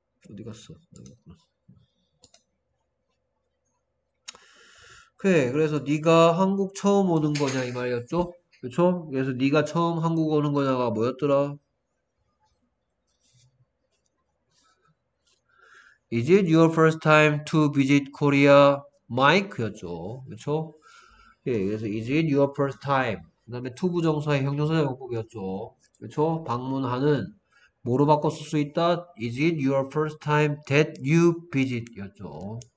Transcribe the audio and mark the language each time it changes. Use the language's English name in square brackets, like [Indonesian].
[Korean] 어디 갔어? 그래, 그래서 네가 한국 처음 오는 거냐 이 말이었죠? 그렇죠? 그래서 네가 처음 한국 오는 거냐가 뭐였더라? [English] Is it your first time to visit Korea, Mike였죠? [Korean] 그렇죠? 예, 그래서 [English] is it your first time? [Korean] 그 다음에 to 부정사의 형용사 용법이었죠. 그렇죠? 방문하는 뭐로 바꿔 쓸수 있다? [English] Is it your first time that you visit?였죠.